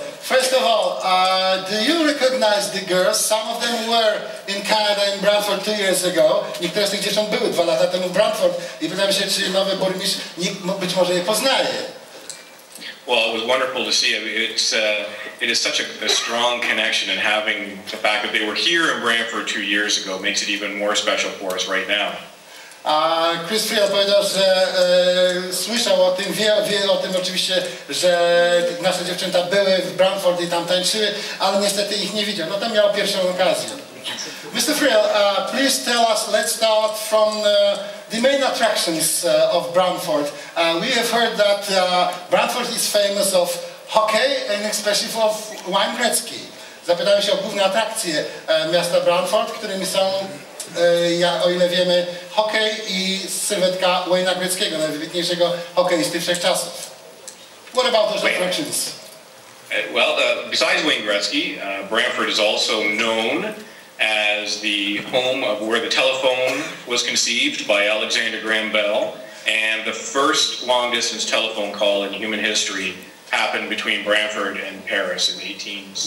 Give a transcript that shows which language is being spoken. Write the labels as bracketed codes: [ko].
[en] First of all, do you recognize the girls? Some of them were in Canada, in Brantford 2 years ago. [pl] Niektóre z tych dziewcząt były 2 lata temu w Brantford. I pytam się, czy nowy burmistrz być może je poznaje. [en] Well, it was wonderful to see. It is such a strong connection, and having the fact that they were here in Brantford 2 years ago makes it even more special for us right now. [pl] Chris Friel powiedział, że słyszał o tym, wie o tym oczywiście, że nasze dziewczęta były w Brantford i tam tańczyły, ale niestety ich nie widział. No to miał pierwszą okazję. [en] Mr. Friel, please tell us, let's start from the main attractions of Brantford. We have heard that Brantford is famous of hockey and especially of wine Gretzky. [pl] Zapytałem się o główne atrakcje miasta Brantford, którymi są, o ile wiemy, hokej i sylwetka Wayne'a Gretzkiego, najwybitniejszego hokeisty wszechczasów. [en] What about those attractions? Well, besides Wayne Gretzky, Brantford is also known as the home of where the telephone was conceived by Alexander Graham Bell, and the first long-distance telephone call in human history happened between Brantford and Paris in 1878.